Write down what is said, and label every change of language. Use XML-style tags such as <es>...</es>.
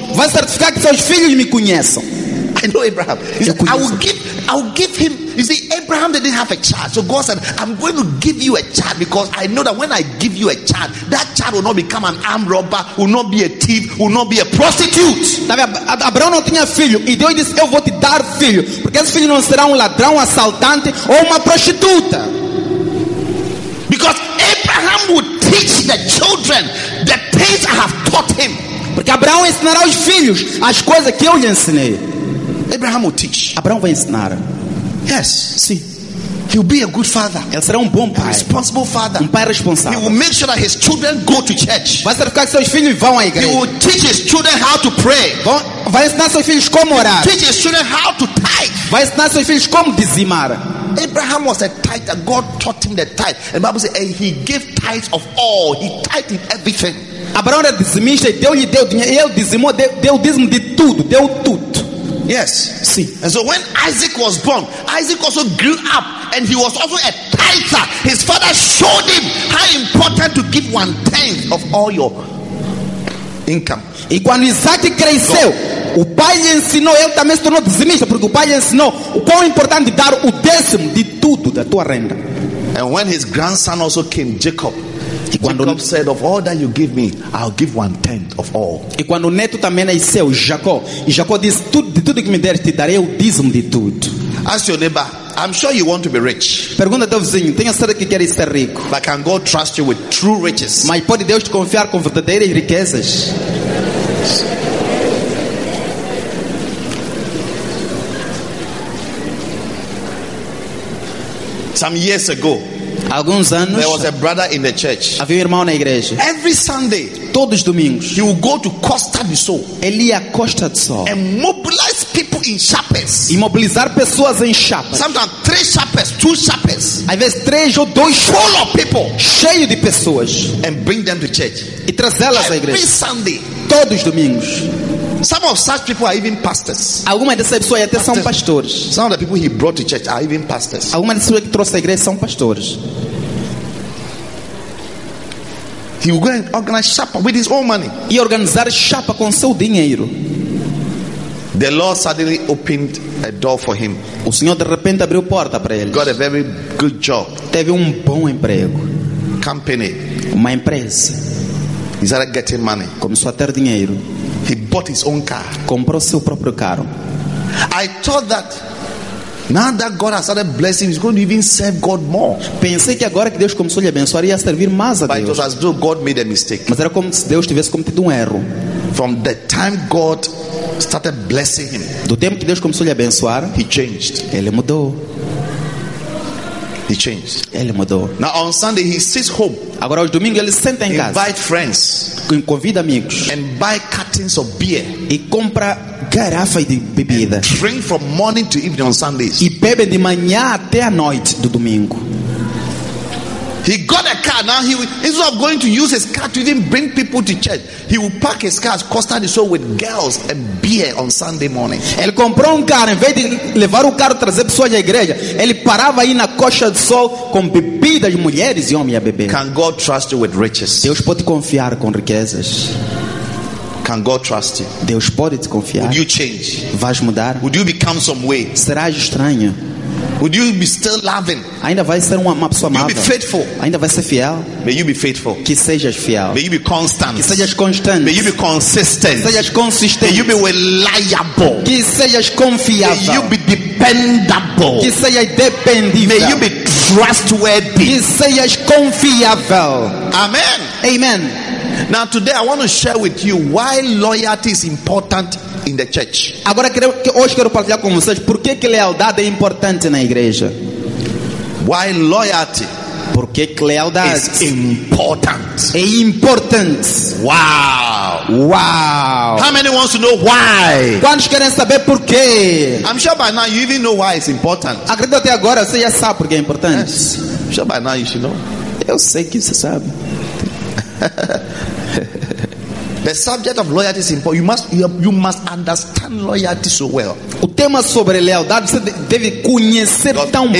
<pt>Vai certificar que seus filhos me conheçam.</pt> <en>I know Abraham. Said, I will give him. You see, Abraham didn't have a child, so God said, I'm going to give you a child because I know that when I give you a child, that child will not become an armed robber, will not be a thief, will not be a prostitute.</en> <pt>Abraão não tinha filho e Deus disse, eu vou te dar filho, porque esse filho não será ladrão, assaltante ou uma prostituta.</pt> <en>Because Abraham would teach the children the things I have taught him.</en> <pt>Porque Abraão ensinará aos filhos as coisas que eu lhe ensinei.</pt> <en>Abraham will teach.</en> <pt>Abraão vai ensinar.</pt> <en>Yes,</en> <pt>sim.</pt> <en>He'll be a good father.</en> <pt>Ele será um bom pai.</pt> <en>A responsible father.</en> <pt>Um pai responsável.</pt> <en>He will make sure that his children go to church.</en> <pt>Vai certificar que seus filhos vão à igreja.</pt> <en>He will teach his children how to pray.</en> <pt>Vai ensinar seus filhos como orar.</pt> <en>Teach his children how to tithe.</en> <pt>Vai ensinar seus filhos como dizimar.</pt> <en>Abraham was a tithe. God taught him the tithe. And the Bible says, and he gave tithes of all. He tithed everything.</en> <pt>Abraão era dizimista e Deus lhe deu dinheiro. Ele dizimou, deu o dízimo de tudo. Deu tudo.</pt> <en>Yes.</en> <pt>Sim.</pt> <en>And so when Isaac was born, Isaac also grew up and he was also a tither. His father showed him how important to give one tenth of all your income.</en> <pt>E quando Isaac cresceu, God, o pai lhe ensinou, ele também se tornou dizimista, porque o pai lhe ensinou o quão importante dar o décimo de tudo da tua renda.</pt> <en>And when his grandson also came, Jacob, Jacob said, of all that you give me, I'll give one tenth of all.</en> <pt>E quando o neto também nasceu, Jacó disse, de tudo que me deres, te darei o dízimo de tudo.</pt> <en>Ask your neighbor, I'm sure you want to be rich.</en> <pt>Pergunta ao teu vizinho, tenho certeza que queres ser rico.</pt> <en>But can God trust you with true riches?</en> <pt>Mas pode Deus te confiar com verdadeiras riquezas?</pt> <en>Some years ago,</en> <pt>alguns anos,</pt> <en>there was a brother in the church.</en> <pt>Havia um irmão na igreja.</pt> <en>Every Sunday,</en> <pt>todos os domingos,</pt> <en>he would go to Costa do Sol.</en> <pt>Ele ia a Costa do Sol.</pt> <en>And mobilize people in chapels.</en> <pt>E mobilizar pessoas em chapas.</pt> <en>Sometimes 3 chapels, 2 chapels.</en> <pt>Às vezes 3 ou 2</pt> <en>full of people,</en> <pt>cheio de pessoas.</pt> <en>And bring them to church.</en> <pt>E trazê-las à igreja.</pt> <en>Every Sunday,</en> <pt>todos os domingos.</pt> <en>Some of such people are even pastors.</en> <pt>Algumas dessas pessoas até são pastores.</pt> <en>Some of the people he brought to church are even pastors.</en> <pt>Algumas dessas pessoas que trouxe à igreja são pastores.</pt> <en>He will go and organize chapa with his own money.</en> <pt>E organizar chapa com seu dinheiro.</pt> <en>The Lord suddenly opened a door for him.</en> <pt>O Senhor de repente abriu porta para ele.</pt> <en>Got a very good job.</en> <pt>Teve um bom emprego.</pt> <en>Company.</en> <pt>Uma empresa.</pt> <en>He started getting money.</en> <pt>Começou a ter dinheiro.</pt> <en>He bought his own car.</en> <pt>Comprou seu próprio carro.</pt> <en>I thought that now that God has started blessing, he's going to even serve God more.</en> <pt>Pensei que agora que Deus começou a lhe abençoar, ia servir mais a Deus.</pt> <en>But it was as though God made a mistake.</en> <pt>Mas era como se Deus tivesse cometido erro.</pt> <en>From the time God started blessing him,</en> <pt>do tempo que Deus começou a lhe abençoar,</pt> <en>he changed.</en> <pt>Ele mudou.</pt> <en>He changed.</en> <pt>Ele mudou.</pt> <en>Now on Sunday he sits home.</en> <pt>Agora hoje domingo ele senta em casa.</pt> <en>Invite friends.</en> <pt>Convida amigos.</pt> <en>And buy cartons of beer.</en> <pt>E compra garrafa de bebida.</pt> <en>And drink from morning to evening on Sundays.</en> <pt>E bebe de manhã até a noite do domingo.</pt> <en>He got a car. Now he will, instead of going to use his car to even bring people to church, he will park his car, costar the soul with girls and beer on Sunday morning.</en> <pt>Ele comprou carro, em vez de levar o carro trazer pessoas à igreja, ele parava aí na costa do sol com bebidas, mulheres e homens a beber.</pt> <en>Can God trust you with riches?</en> <pt>Deus pode confiar com riquezas.</pt> <en>Can God trust you?</en> <pt>Deus pode te confiar.</pt> <en>Would you change?</en> <pt>Vais mudar?</pt> <en>Would you become some way?</en> <pt>Serás estranho.</pt> <en>Would you be still loving?</en> <pt>Ainda vai ser uma pessoa amada.</pt> <en>You be faithful.</en> <pt>Ainda vai ser fiel.</pt> <en>May you be faithful.</en> <pt>Que sejas fiel.</pt> <en>May you be constant.</en> <pt>Que sejas constante.</pt> <en>May you be consistent.</en> <pt>Que sejas consistente.</pt> <en>May you be reliable.</en> <pt>Que sejas confiável.</pt> <en>May you be dependable.</en> <pt>Que sejas dependível.</pt> <en>May you be trustworthy.</en> <pt>Que sejas confiável.</pt> <en>Amen. Amen. Now today I want to share with you why loyalty is important in the church.</en> <pt>Agora hoje quero partilhar com vocês por que lealdade é importante na igreja.</pt> <en>Why loyalty?</en> <pt>Por que lealdade</pt> <en>is important?</en> <pt>É importante. Wow. Wow.</pt> <en>How many wants to know why?</en> <pt>Quantos querem saber por quê?</pt> <en>I'm sure by now you even know why it's important.</en> <pt>Acredito até agora você já sabe por que é importante.</pt> <en>Yes. I'm sure by now you should know.</en> <pt>Eu sei que você sabe.</pt> <en>The subject of loyalty is important. You must understand loyalty so well.</en> <pt>O tema sobre lealdade você deve conhecer tão bem.</pt>